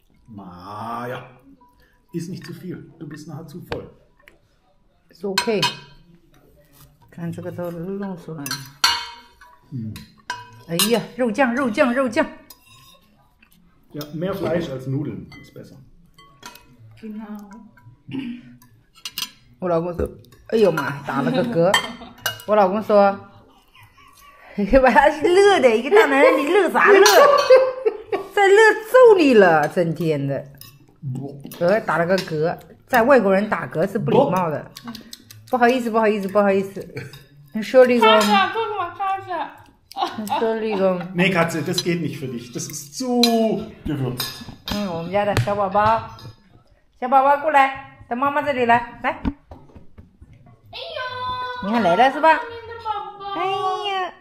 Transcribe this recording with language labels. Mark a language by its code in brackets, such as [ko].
[de] 妈呀 ，is nicht zu viel， du bist nachher zu voll。 [en] It's okay。 [zh] 看这个都弄出来了，哎呀，肉酱。 [de] Ja, mehr Fleisch als Nudeln ist besser. Genau. [zh] 我老公说，哎呦妈，打了个嗝。我老公说，把他乐的，一个大男人，你乐啥乐？再乐揍你了，整天的。打了个嗝，在外国人打嗝是不礼貌的。不好意思，不好意思，不好意思。你说这个。 [de] Tasha, guck mal, Tasha。 Entschuldigung. Nee, Katze, das geht nicht für dich. Das ist zu gewürzt. Hm, wir haben den kleinen Baba. Kleiner Baba, komm her. Der Mama hier, komm. Komm. Ey, komm. Du hast es gekommen, oder?